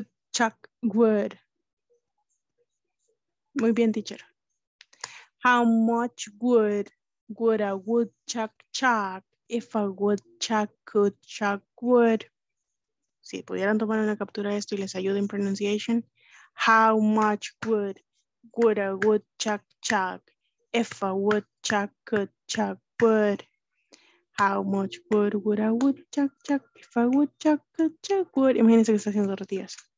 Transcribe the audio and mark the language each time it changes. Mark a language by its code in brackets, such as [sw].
[en] Chuck wood. [es] Muy bien, [en] teacher. How much wood would a woodchuck chuck if a woodchuck could chuck wood? [es] Si pudieran tomar una captura de esto y les ayude en pronunciation. [en] How much wood would a woodchuck chuck if a woodchuck could chuck wood? How much wood would a woodchuck chuck if a woodchuck could chuck wood? [es] Imagínense que está haciendo tortillas.